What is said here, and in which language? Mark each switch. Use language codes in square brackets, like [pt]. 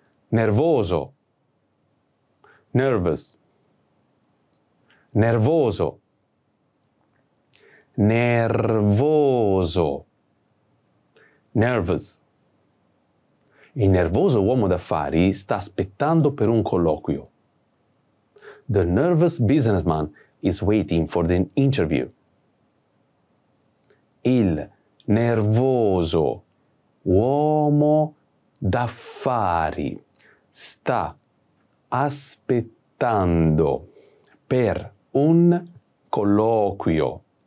[it] Nervoso. [en] Nervous. [it] Nervoso. Nervoso. [en] Nervous. [it] Il nervoso uomo d'affari sta aspettando per un colloquio. [en] The nervous businessman is waiting for the interview. [it] Il nervoso uomo d'affari sta aspettando per un colloquio.